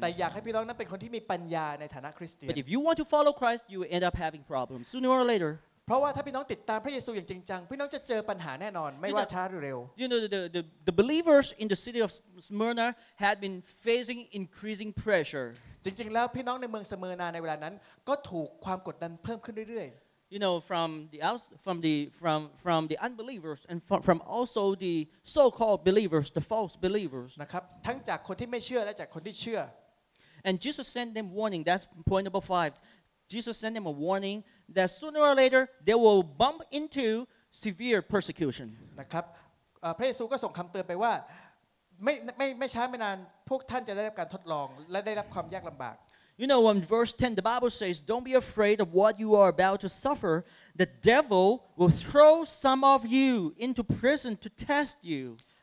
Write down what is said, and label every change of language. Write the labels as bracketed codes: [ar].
[th] แต่อยากให้พี่น้องนั้นเป็นคนที่มีปัญญาในฐานะคริสเตียน [en] But if you want to follow Christ, you will end up having problems sooner or later. [th] เพราะว่าถ้าพี่น้องติดตามพระเยซูอย่างจริงจังพี่น้องจะเจอปัญหาแน่นอนไม่ว่าช้าหรือเร็ว [en] You know the believers in the city of Smyrna had been facing increasing pressure. [th] จริงๆแล้วพี่น้องในเมืองสมิร์นาในเวลานั้นก็ถูกความกดดันเพิ่มขึ้นเรื่อย [en] ๆ You know from the unbelievers and from also the so-called believers the false believers [th] นะครับทั้งจากคนที่ไม่เชื่อและจากคนที่เชื่อ [en] and Jesus sent them warning that's point number 5 Jesus sent them a warning that sooner or later they will bump into severe persecution [th] นะครับพระเยซูก็ส่งคําเตือนไปว่าไม่ช้าไม่นานพวกท่านจะได้รับการทดลองและได้รับความยากลําบาก [en] You know, in verse 10, the Bible says, "Don't be afraid of what you are about to suffer. The devil will throw some of you into prison to test you.